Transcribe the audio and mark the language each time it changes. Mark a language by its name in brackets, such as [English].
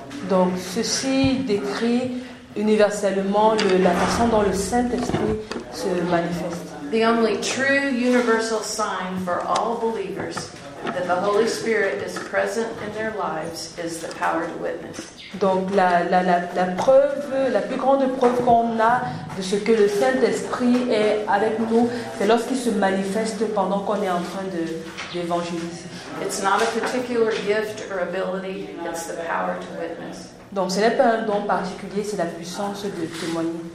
[French] Donc ceci décrit universellement la façon dont le Saint-Esprit se manifeste. [English] The only true universal sign for all believers that the Holy Spirit is present in their lives is the power to witness. [French] Donc la preuve, la plus grande preuve qu'on a de ce que le Saint-Esprit est avec nous, c'est lorsqu'il se manifeste pendant qu'on est en train d'évangéliser. [English] It's not a particular gift or ability, it's the power to witness. [French] Donc ce n'est pas un don particulier, c'est la puissance de témoigner,